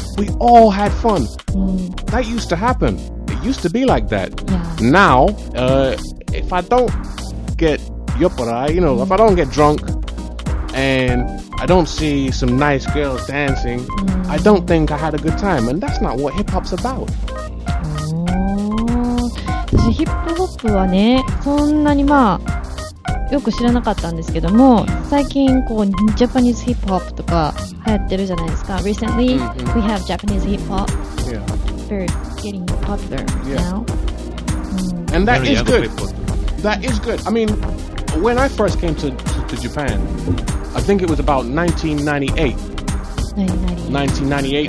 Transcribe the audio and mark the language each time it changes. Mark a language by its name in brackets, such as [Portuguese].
[English] We all had fun. That used to happen. It used to be like that. Yeah. Now, if I don't get [Japanese] yoporai, [English] you know, if I don't get drunk and I don't see some nice girls dancing, I don't think I had a good time. And that's not what hip-hop's about. [Japanese] 私ヒップホップはねそんなにまあよく知らなかったんですけども最近こうジャパニーズヒップホップとか流行ってるじゃないですか [English] Recently、 [Japanese] mm-hmm. [English] we have Japanese hip hop very getting popular now、 mm. And that is good. That is good. I mean when I first came to Japan I think it was about 1998 1999